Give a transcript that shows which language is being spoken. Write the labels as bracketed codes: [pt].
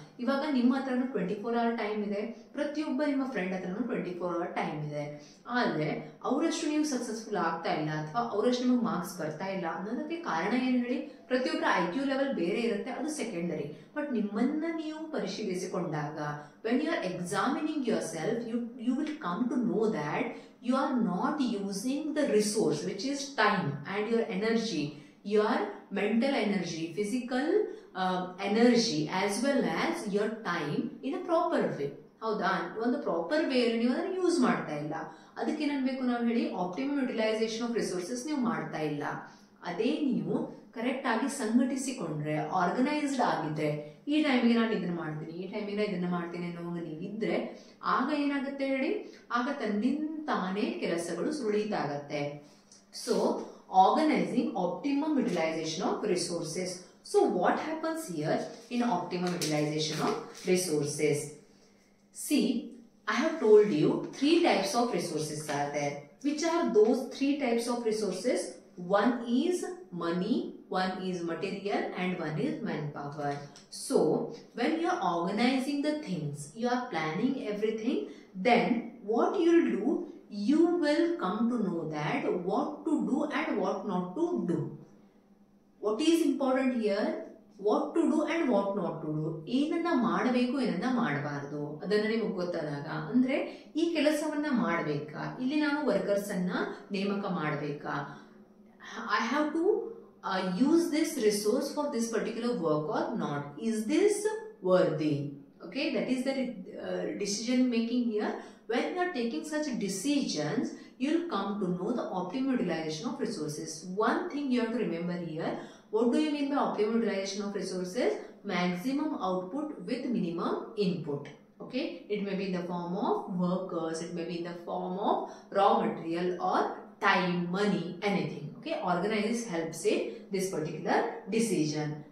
[kn] ಇವಾಗ ನಿಮ್ಮ ಹತ್ರನು 24 hours ಟೈಮ್ ಇದೆ, ಪ್ರತಿಯೊಬ್ಬ ನಿಮ್ಮ ಫ್ರೆಂಡ್ ಹತ್ರನು 24 hours ಟೈಮ್ ಇದೆ, ಆದ್ರೆ ಅವರಷ್ಟು ನೀವು ಸಕ್ಸಸ್ಫುಲ್ ಆಗ್ತಾ ಇಲ್ಲ ಅಥವಾ ಅವರಷ್ಟು ನಿಮ್ಗೆ ಮಾರ್ಕ್ಸ್ ಬರ್ತಾ ಇಲ್ಲ ಅನ್ನೋದಕ್ಕೆ ಕಾರಣ ಏನು ಹೇಳಿ, ಪ್ರತಿಯೊಬ್ಬರ IQ ಲೆವೆಲ್ ಬೇರೆ ಇರುತ್ತೆ, ಅದು ಸೆಕೆಂಡರಿ. ಬಟ್ ನಿಮ್ಮನ್ನ ನೀವು ಪರಿಶೀಲಿಸಿಕೊಂಡಾಗ, [en] When you are examining yourself, you will come to know that you are not using the resource which is time and your energy, your mental energy, physical energy as well as your time in a proper way. [kn] ಒಂದು proper ವೇಯಲ್ಲಿ ನೀವು ಅದನ್ನು use ಮಾಡ್ತಾ ಇಲ್ಲ. ಅದಕ್ಕೆ ಏನನ್ಬೇಕು ನಾವು ಹೇಳಿ, [en] optimum utilization of resources [kn] ನೀವು ಮಾಡ್ತಾ ಇಲ್ಲ. ಅದೇ ನೀವು ಕರೆಕ್ಟ್ ಆಗಿ ಸಂಘಟಿಸಿಕೊಂಡ್ರೆ, ಆರ್ಗನೈಸ್ಡ್ ಆಗಿದ್ರೆ, ಈ ಟೈಮಿಗೆ ನಾನು ಇದನ್ನ ಮಾಡ್ತೀನಿ, ಈ ಟೈಮಿಗೆ ನಾನು ಇದನ್ನ ಮಾಡ್ತೀನಿ ಅನ್ನೋವಾಗ ನೀವಿದ್ರೆ, ಆಗ ಏನಾಗುತ್ತೆ ಹೇಳಿ, ಆಗ ತನ್ನಿಂತಾನೇ ಕೆಲಸಗಳು ಸುರುಳಿತಾಗತ್ತೆ. [en] So organizing optimum utilization of resources. So what happens here in optimum utilization of resources? See, I have told you three types of resources are there. Which are those three types of resources? One is money, one is material, and one is manpower. So, when you are organizing the things, you are planning everything, then what you will do, you will come to know that what to do and what not to do. What is important here? What to do and what not to do, [kn] ಏನನ್ನ ಮಾಡಬೇಕು ಏನನ್ನ ಮಾಡಬಾರದು ಅದನ್ನ ನಿಮಗೆ ಗೊತ್ತಾದಾಗ, ಅಂದ್ರೆ ಈ ಕೆಲಸವನ್ನ ಮಾಡಬೇಕಾ, ಇಲ್ಲಿ ನಾನು ವರ್ಕರ್ಸ್ ಅನ್ನ ನೇಮಕ ಮಾಡಬೇಕಾ, [en] I have to use this resource for this particular work or not, is this worthy? Okay, that is the decision making here. When you are taking such decisions, you will come to know the optimal utilization of resources. One thing you have to remember here, what do you mean by optimum utilization of resources? Maximum output with minimum input. Okay, it may be in the form of workers, it may be in the form of raw material or time, money, anything. Okay, organizers helps in this particular decision.